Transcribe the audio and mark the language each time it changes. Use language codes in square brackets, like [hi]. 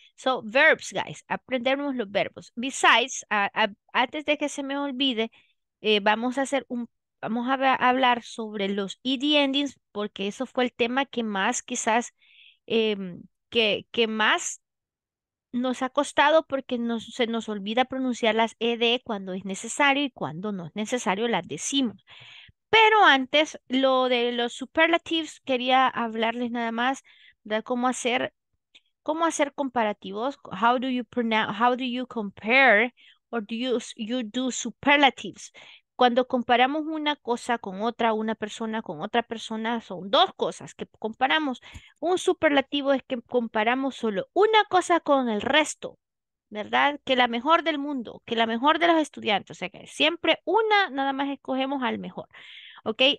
[en] So, verbs, guys. [es] Aprendemos los verbos. Besides, antes de que se me olvide, vamos a hablar sobre los ed endings, porque eso fue el tema que más quizás, que más nos ha costado, porque se nos olvida pronunciar las ed cuando es necesario, y cuando no es necesario las decimos. Pero antes, lo de los superlatives, quería hablarles nada más de cómo hacer comparativos. [en] How do you compare or do you do superlatives? [es] Cuando comparamos una cosa con otra, una persona con otra persona, son dos cosas que comparamos. Un superlativo es que comparamos solo una cosa con el resto, ¿verdad? Que la mejor del mundo, que la mejor de los estudiantes. O sea, que siempre una, nada más escogemos al mejor, ¿ok?